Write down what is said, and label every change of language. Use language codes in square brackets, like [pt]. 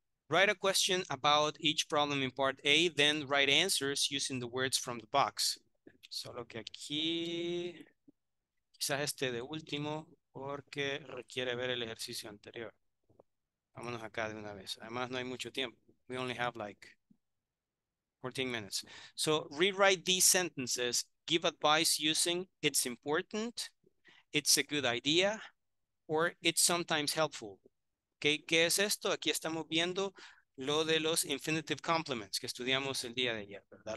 [en] Write a question about each problem in part A, then write answers using the words from the box. [es] Solo que aquí, quizás este de último, porque requiere ver el ejercicio anterior. Vámonos acá de una vez. Además, no hay mucho tiempo. [en] We only have like 14 minutes. So rewrite these sentences. Give advice using it's important, it's a good idea, or it's sometimes helpful. [es] ¿Qué, qué es esto? Aquí estamos viendo lo de los infinitive complements que estudiamos el día de ayer, ¿verdad?